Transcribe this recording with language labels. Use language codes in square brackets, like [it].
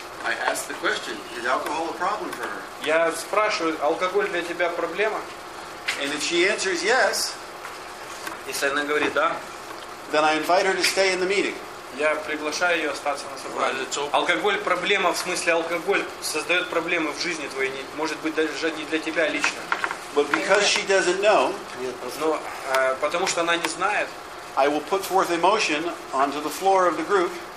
[en] I ask the question: Is alcohol a problem for her? [ru] Я спрашиваю, алкоголь для тебя проблема? [en] And if she answers yes, [ru] если она говорит да, [en] then I invite her to stay in the meeting. [ru] Я приглашаю ее остаться на собрании. Алкоголь проблема в смысле алкоголь создает проблемы в жизни твоей, может быть даже не для тебя лично. [en] But because she doesn't know, [ru] потому что она не знает, [en] I will put forth a motion onto the floor of the group.